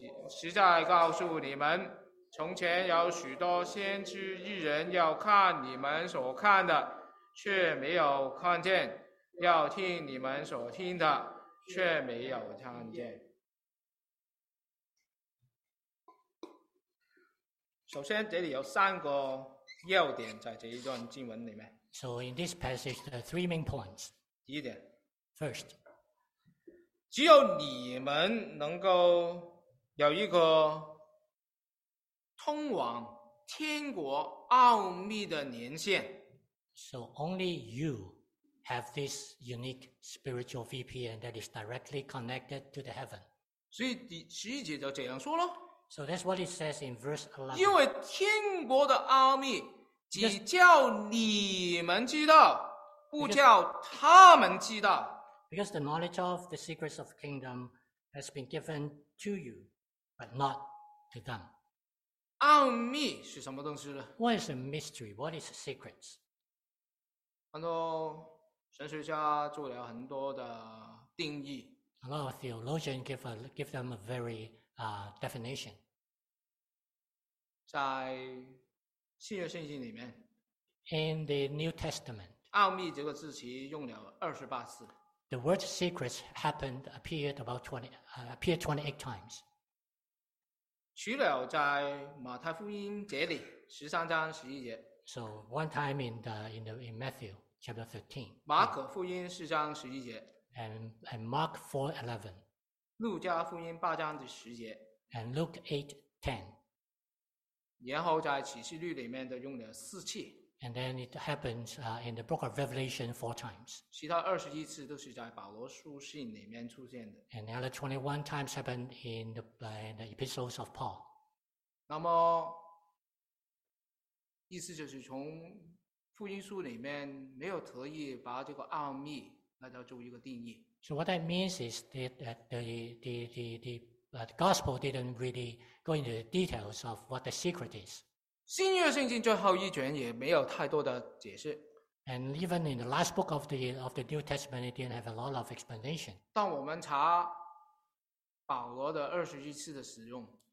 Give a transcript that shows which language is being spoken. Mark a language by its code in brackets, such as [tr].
[zh] 实在告诉你们，从前有许多先知异人要看你们所看的，却没有看见，要听你们所听的，却没有看见。首先，这里有三个要点在这一段经文里面。 [en] So in this passage, there are three main points. [zh] 第一点 [en] ，First， [zh] 只有你们能够有一个通往天国奥秘的连线。 [en] So only you have this unique spiritual VPN that is directly connected to the heaven. [zh] 所以第十一节就这样说了。 [en] So that's what it says in verse 11. [zh] 因为天国的奥秘只叫你们知道，不叫他们知道。 [en] Because the knowledge of the secrets of the kingdom has been given to you, but not to them. [zh] 奥秘是什么东西呢？ [en] What is a mystery? What is secrets? [zh] 很多神学家做了很多的定义。 [en] A lot of theologians give them a very definition. [zh] 在新约圣经里面 [en] ，In the New Testament， [zh] 奥秘这个字词用了28次。 [en] The word secrets appeared 28 times. [zh] 除了在马太福音这里13:11。 [en] So one time in Matthew chapter 13. [zh] 马可福音4:11。 [en] And Mark 4:11。 [zh] 路加福音8:10。 [en] And Luke 8:10。 [zh] 然后在启示录里面都用了四次。 [en] And then it happens in the book of Revelation 4 times. [zh] 其他21次都是在保罗书信里面出现的。 [en] And the other 21 times happened in the epistles of Paul. [zh] 那么意思就是从福音书里面没有特意把这个奥秘来到做一个定义。 [en] So what that means is that the gospel didn't really go into the details of what the secret is. [zh] 新约圣经最后一卷也没有太多的解释。 [en] And even in the last book of the New Testament, it didn't have a lot of explanation. [zh] 当我们查保罗的21次的使用